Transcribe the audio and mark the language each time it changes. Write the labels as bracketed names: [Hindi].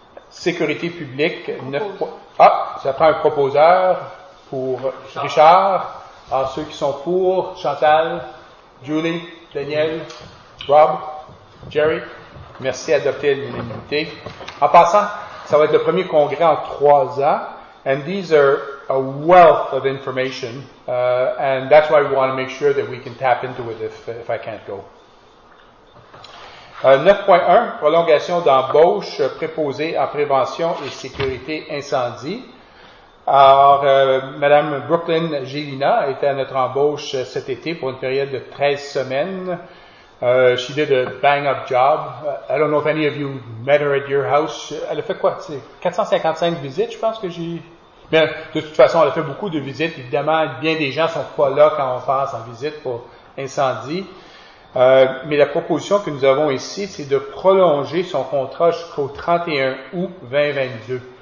[French] Sécurité publique, ça prend un proposeur pour Richard. Alors, ceux qui sont pour, Chantal, Julie, Daniel, Rob, Jerry, merci d'adopter l'unanimité. En passant, ça va être le premier congrès en 3 ans. [English] And these are a wealth of information. And that's why we want to make sure that we can tap into it if I can't go. [French] 9.1, prolongation d'embauche préposée en prévention et sécurité incendie. Alors, Mme Brooklyn Gélina était à notre embauche cet été pour une période de 13 semaines. [English] She did a bang-up job. I don't know if any of you met her at your house. [French] Elle a fait quoi? 455 visites, je pense que j'ai... Mais de toute façon, elle a fait beaucoup de visites. Évidemment, bien des gens ne sont pas là quand on passe en visite pour incendie. Mais la proposition que nous avons ici, c'est de prolonger son contrat jusqu'au 31 août 2022.